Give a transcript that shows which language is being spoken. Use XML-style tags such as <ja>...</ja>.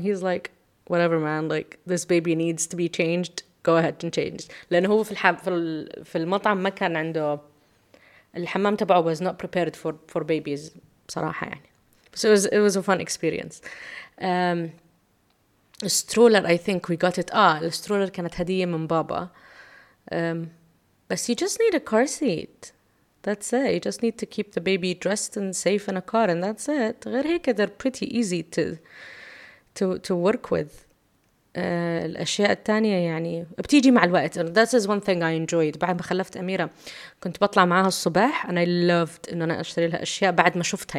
<en>He's like whatever man, like this baby needs to be changed, go ahead and change.</en> <ar>لانه هو في المطعم ما كان عنده الحمام تبعه,</ar> <en>was not prepared for babies</en> <ar>بصراحة يعني.</ar> <en>So it was a fun experience. Stroller, I think we got it.</en> <ar>الستروللر كانت هدية من بابا.</ar> <en>بس you just need a car seat. That's it. You just need to keep the baby dressed and safe in a car, and that's it.</en> <ar>غير هيك</ar> <en>they're pretty easy to work with.</en> <ar>الأشياء التانية يعني بتيجي مع الوقت.</ar> <en>And that is one thing I enjoyed.</en> <ar>بعد ما خلفت أميرة كنت بطلع معها الصباح,</ar> <en>and I loved</en> <ar>إنه أنا أشتري لها أشياء بعد ما شفتها.</ar>